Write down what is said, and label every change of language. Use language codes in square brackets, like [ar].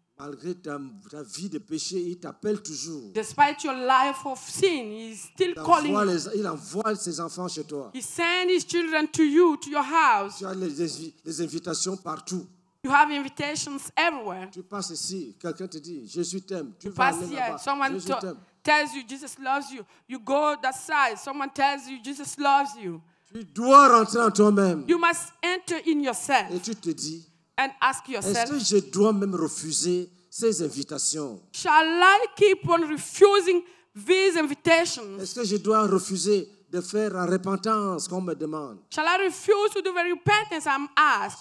[fr] Malgré ta vie de péché, il t'appelle toujours. [en] Despite your life of sin, he's still calling. [fr] Il envoie ses enfants chez toi. [en] He sends his children to you, to your house. [fr] Tu as les invitations partout. [en] You have invitations everywhere. [fr] Tu passes ici, quelqu'un te dit, Jésus t'aime. Tu passes vas [en] here, [fr] là-bas. [en] Someone [fr] Jésus t'aime. [en] Tells you Jesus loves you. You go that side. Someone tells you Jesus loves you. [fr] Tu dois rentrer en toi-même. [en] You must enter in yourself. [fr] Et tu te dis, [en] and ask yourself. [fr] Est-ce que je dois même refuser ces invitations? [en] Shall I keep on refusing these invitations? [fr] Est-ce que je dois refuser de faire la repentance qu'on me demande? [en] Shall I refuse to do the repentance I'm asked?